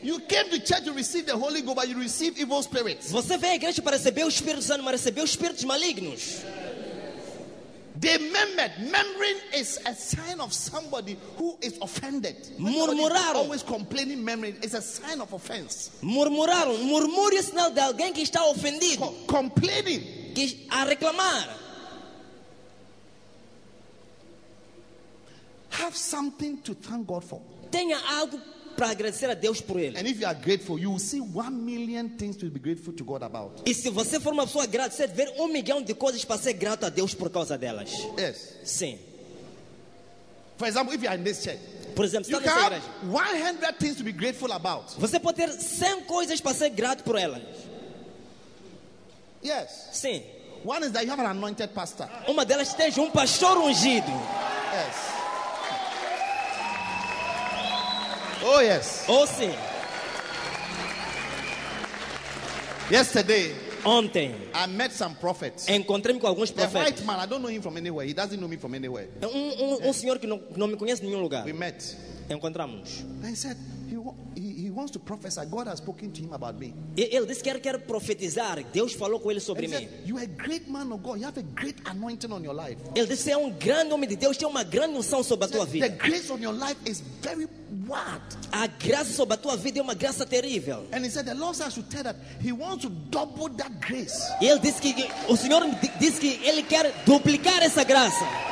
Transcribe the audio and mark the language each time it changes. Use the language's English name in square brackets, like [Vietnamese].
[English] You came to church to receive the Holy Ghost, but you receive evil spirits. [Portuguese] Você veio à igreja para receber o Espírito Santo, mas recebeu espíritos malignos. [English] They murmured. Murmuring is a sign of somebody who is offended. [Portuguese] Murmuraram. [English] Always complaining. Murmuring is a sign of offense. [Portuguese] Murmuraram. Murmúrio é sinal de alguém que está ofendido. [English] Complaining. [Portuguese] Que a reclamar. [English] Have something to thank God for. [Portuguese] Tenha algo para agradecer a Deus por ele. [English] And if you are grateful, you will see 1 million things to be grateful to God about. [Portuguese] E se você for uma pessoa grata, você vai ver 1 milhão de coisas para ser grato a Deus por causa delas. [English] Yes. [Portuguese] Sim. [English] For example, if you are in this church, [Portuguese] por exemplo, [English] you can have 100 things to be grateful about. [Portuguese] Você pode ter 100 coisas para ser grato por elas. [English] Yes. [Portuguese] Sim. [English] One is that you have an anointed pastor. [Portuguese] Uma delas tem um pastor ungido. [English] Yes. Oh yes. [Portuguese] Oh sim. [English] Yesterday, [Portuguese] ontem, [English] I met some prophets. [Portuguese] Encontrei-me com alguns profetas. [English] A white man, I don't know him from anywhere. He doesn't know me from anywhere. [Portuguese] Um senhor que não me conhece de nenhum lugar. [English] We met. [Portuguese] Encontramos. [English] And he said he wants to prophesy. God has spoken to him about me. [Portuguese] Ele disse que quer profetizar. Deus falou com ele sobre mim. [English] You are a great man of God. You have a great anointing on your life. [Portuguese] Ele disse que é grande homem de Deus. Tem uma grande unção sobre a tua vida. [English] The grace on your life is very what? [Portuguese] A graça sobre a tua vida é uma graça terrível. [English] And he said the Lord says to tell that he wants to double that grace. [Portuguese] Ele disse que o Senhor disse que ele quer duplicar essa graça.